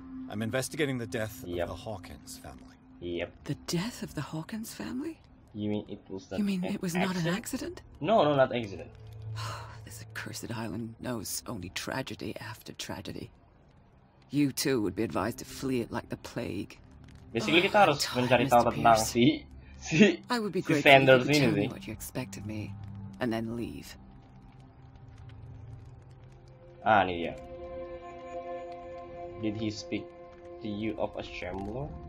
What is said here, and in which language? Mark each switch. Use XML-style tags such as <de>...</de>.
<en>I'm investigating the death of the Hawkins family. Yep. The death of the Hawkins family? You mean it was not? You mean it was not an accident? No, not accident. This accursed island knows only tragedy after tragedy. You too would be advised to flee it like the plague.</en> <id>Basically kita harus mencari tahu tentang si Sanders ini sih.</id> <en>What you expect of me, and then leave.</en> <id>Ah, ini dia.</id> <en>Did he speak to you of a shambler?</en>